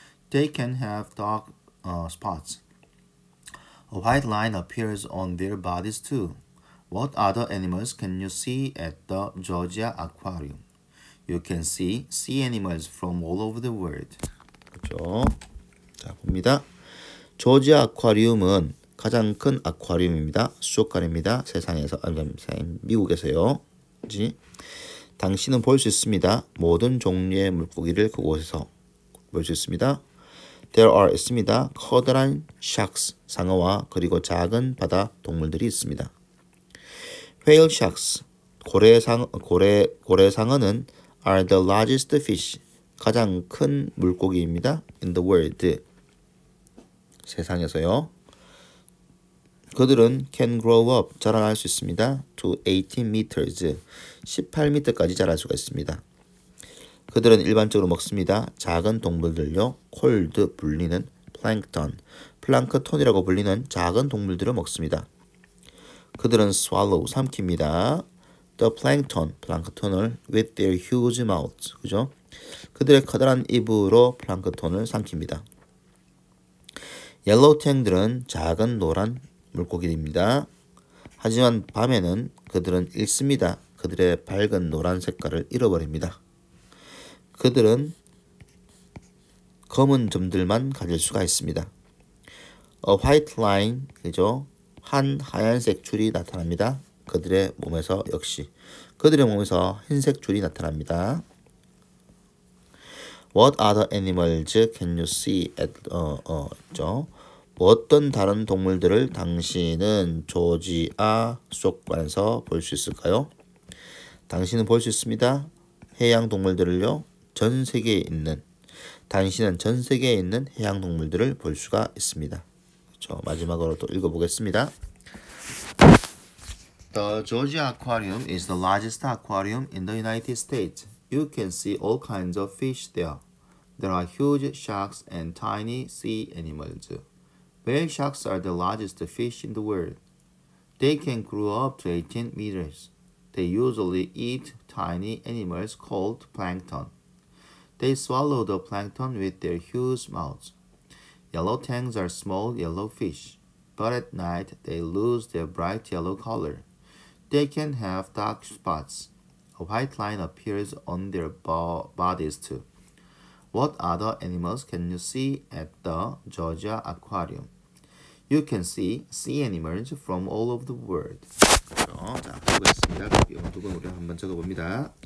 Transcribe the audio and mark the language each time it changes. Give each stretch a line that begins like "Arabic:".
English: They can have dark spots. A white line appears on their bodies too. What other animals can you see at the Georgia Aquarium? You can see sea animals from all over the world.
Korean: 그렇죠? 자, 봅니다. 조지아 아쿠아리움은 가장 큰 아쿠아리움입니다. 수족관입니다. 세상에서, 아니, 미국에서요. 그렇지? 당신은 볼수 있습니다. 모든 종류의 물고기를 그곳에서 볼수 있습니다.
English: There are
Korean: 있습니다. 커다란 sharks, 상어와 그리고 작은 바다 동물들이 있습니다.
English: Whale sharks,
Korean: 고래상어는
English: are the largest fish,
Korean: 가장 큰 물고기입니다.
English: In the world,
Korean: 세상에서요. 그들은
English: can grow up,
Korean: 자라날 수 있습니다.
English: To 18 meters,
Korean: 18m까지 자랄 수가 있습니다. 그들은 일반적으로 먹습니다. 작은 동물들요. cold 불리는 plankton, 플랑크톤이라고 불리는 작은 동물들을 먹습니다. 그들은
English: swallow,
Korean: 삼킵니다.
English: The plankton,
Korean: 플랑크톤을
English: with their huge mouths,
Korean: 그죠? 그들의 커다란 입으로 플랑크톤을 삼킵니다. Yellow tang들은 작은 노란 물고기입니다. 하지만 밤에는 그들은 잃습니다. 그들의 밝은 노란 색깔을 잃어버립니다. 그들은 검은 점들만 가질 수가 있습니다.
English: A white line,
Korean: 그죠? 한 하얀색 줄이 나타납니다. 그들의 몸에서 역시 그들의 몸에서 흰색 줄이 나타납니다.
English: What other animals can you see at
Korean: 있죠? 어떤 다른 동물들을 당신은 조지아 수족관에서 볼수 있을까요? 당신은 볼수 있습니다. 해양 동물들을요. 당신은 전 세계에 있는 해양 동물들을 볼 수가 있습니다. 저 마지막으로 또 읽어보겠습니다.
English: The Georgia Aquarium is the largest aquarium in the United States. You can see all kinds of fish there. There are huge sharks and tiny sea animals. Whale sharks are the largest fish in the world. They can grow up to 18 meters. They usually eat tiny animals called plankton. They swallow the plankton with their huge mouths. Yellow tangs are small yellow fish, but at night they lose their bright yellow color. They can have dark spots. A white line appears on their bodies too. What other animals can you see at the Georgia Aquarium? You can see sea animals from all over the world.
Korean: 자, 보겠습니다. 영어 두번 우리 한번 적어봅니다.